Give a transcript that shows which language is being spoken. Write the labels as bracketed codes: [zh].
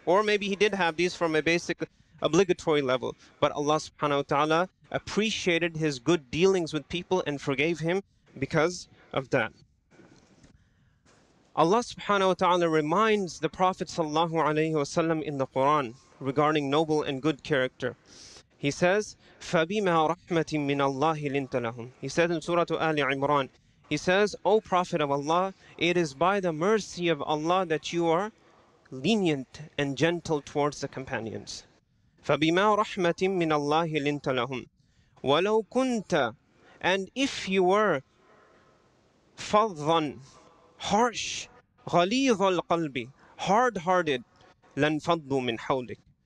[en] Or maybe he did have these from a basic obligatory level, but Allah subhanahu wa ta'ala appreciated his good dealings with people and forgave him because of that. Allah subhanahu wa ta'ala reminds the Prophet sallallahu alayhi wasallam in the Quran regarding noble and good character. He says, [ar] فَبِمَا رَحْمَةٍ مِّنَ اللَّهِ لِنْتَ لَهُمْ. [en] He said in Surah Ali Imran, he says, O Prophet of Allah, it is by the mercy of Allah that you are lenient and gentle towards the companions. [ar] فَبِمَا رَحْمَةٍ مِّنَ اللَّهِ لِنْتَ لَهُمْ. وَلَوْ كُنْتَ. [en] And if you were [ar] فَضًّا, [en] harsh, [ar] غَلِيظَ الْقَلْبِ, [en] hard-hearted, [ar] لَنْفَضُّ مِنْ حَوْلِكَ.